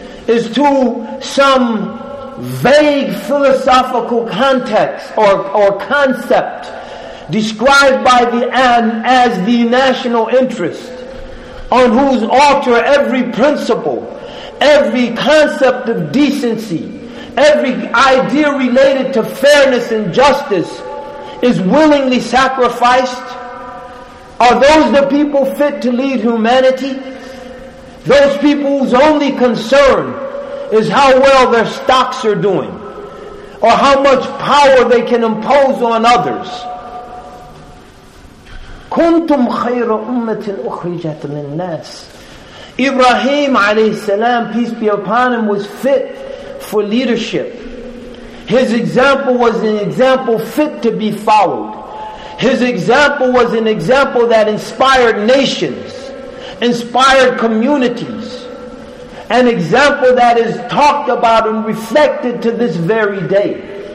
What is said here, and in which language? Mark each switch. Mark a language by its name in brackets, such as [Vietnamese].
[English] is to some vague philosophical context or concept described by the Ahn as the national interest, on whose altar every principle, every concept of decency, every idea related to fairness and justice is willingly sacrificed? Are those the people fit to lead humanity? Those people whose only concern is how well their stocks are doing, or how much power they can impose on others. [Arabic] كنتم خير أمة أخرجت للناس. [English] Ibrahim alayhi salam, peace be upon him, was fit for leadership. His example was an example fit to be followed. His example was an example that inspired nations, inspired communities, an example that is talked about and reflected to this very day.